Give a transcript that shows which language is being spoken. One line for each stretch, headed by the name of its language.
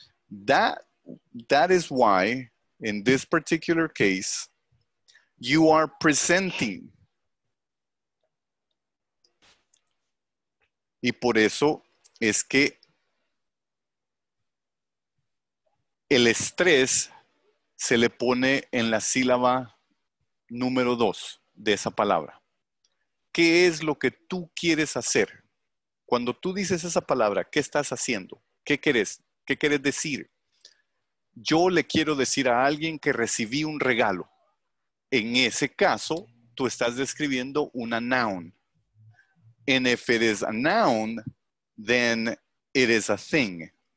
English: That is why, in this particular case, you are presenting.
Spanish: Y por eso es que el estrés se le pone en la sílaba número 2 de esa palabra. ¿Qué es lo que tú quieres hacer? Cuando tú dices esa palabra, ¿qué estás haciendo? ¿Qué quieres? ¿Qué quieres decir? Yo le quiero decir a alguien que recibí un regalo. En ese caso, tú estás describiendo una noun.
English: And if it is a noun, then it is a thing.